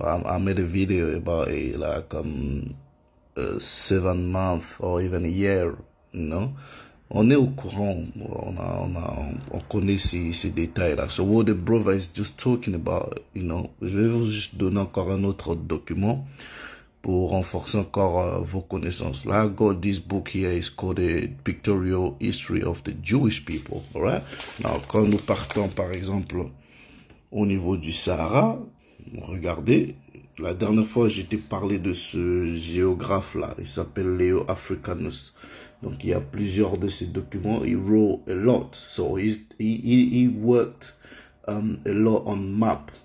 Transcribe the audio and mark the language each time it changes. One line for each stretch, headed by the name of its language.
English: I made a video about it, like 7 months or even a year.
French: On est au courant, on connaît ces détails-là.
English: So what the brother is just talking about,
French: je vais vous juste donner encore un autre document pour renforcer encore vos connaissances.
English: Là, I got this book here, it's called The Pictorial History of the Jewish People. Alright?
French: Alors, quand nous partons, par exemple, au niveau du Sahara, regardez, la dernière fois, j'étais parlé de ce géographe-là, il s'appelle Leo Africanus. Donc, il y a plusieurs de ces documents, il
English: wrote a lot, so he worked a lot on map.